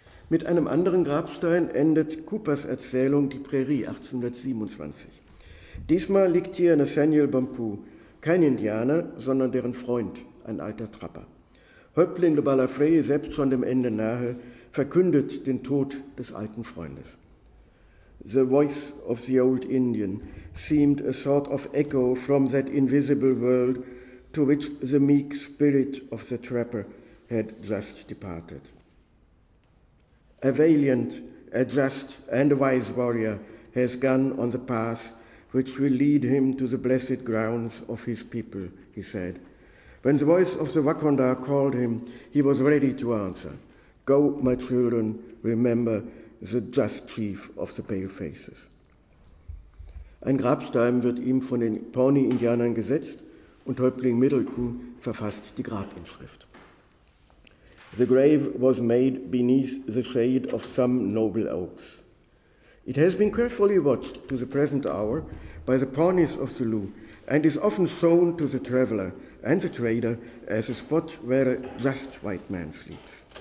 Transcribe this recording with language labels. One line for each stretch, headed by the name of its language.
German: Mit einem anderen Grabstein endet Coopers Erzählung Die Prairie 1827. Diesmal liegt hier Nathaniel Bampou, kein Indianer, sondern deren Freund, ein alter Trapper. Häuptling de Balafré, selbst schon dem Ende nahe, verkündet den Tod des alten Freundes.
English: The voice of the old Indian seemed a sort of echo from that invisible world to which the meek spirit of the trapper had just departed. A valiant, a just, and a wise warrior has gone on the path which will lead him to the blessed grounds of his people, he said. When the voice of the Wakonda called him, he was ready to answer. Go, my children, remember the just chief of the pale faces.
German: Ein Grabstein wird ihm von den Pawnee-Indianern gesetzt und Häuptling Middleton verfasst die Grabinschrift.
English: The grave was made beneath the shade of some noble oaks. It has been carefully watched to the present hour by the Pawnees of the Loup and is often shown to the traveler and the trader as a spot where a just white man sleeps.